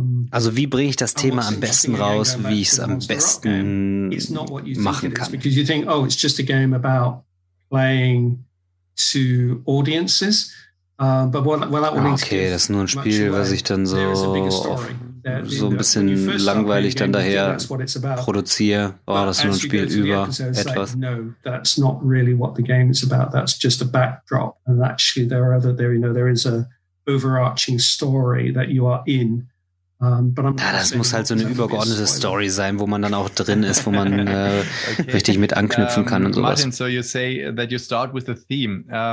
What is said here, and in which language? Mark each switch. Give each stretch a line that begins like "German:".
German: Also, wie bringe ich das Thema am besten raus, wie ich es am besten machen kann?
English: Because you think, oh, it's just a game about playing to audiences.
German: Okay, das ist nur ein Spiel, was ich dann so ein bisschen langweilig dann daher produziere. Oh, das ist nur ein Spiel über etwas.
English: No, that's not really what the game is about. That's just a backdrop. And actually, there is a overarching story that you are in.
German: Ja, das muss halt so eine übergeordnete Story sein, wo man dann auch drin ist, wo man okay. Richtig mit anknüpfen kann und sowas.
English: Martin, so you say that you start with a theme.